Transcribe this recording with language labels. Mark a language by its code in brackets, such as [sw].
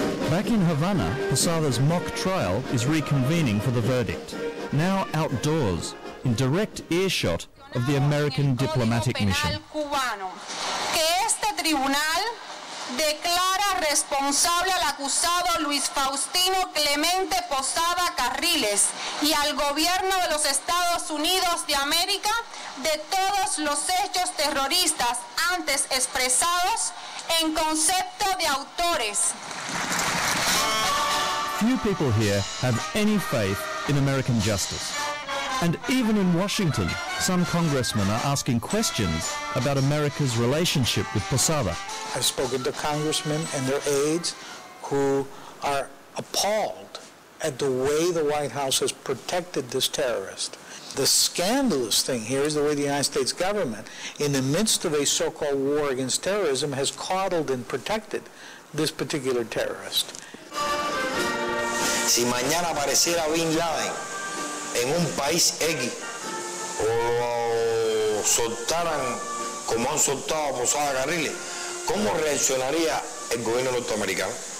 [en] Back in Havana, Posada's mock trial is reconvening for the verdict. Now outdoors, in direct earshot of the American diplomatic mission. [es] Que este tribunal declara responsable al acusado Luis Faustino Clemente Posada Carriles y al gobierno de los Estados Unidos de América de todos los hechos terroristas antes expresados en concepto de autores. [en] Few people here have any faith in American justice. And even in Washington, some congressmen are asking questions about America's relationship with Posada. I've spoken to congressmen and their aides who are appalled at the way the White House has protected this terrorist. The scandalous thing here is the way the United States government, in the midst of a so-called war against terrorism, has coddled and protected this particular terrorist. [es] Si mañana apareciera Bin Laden en un país X, o soltaran como han soltado a Posada Carriles, ¿cómo reaccionaría el gobierno norteamericano?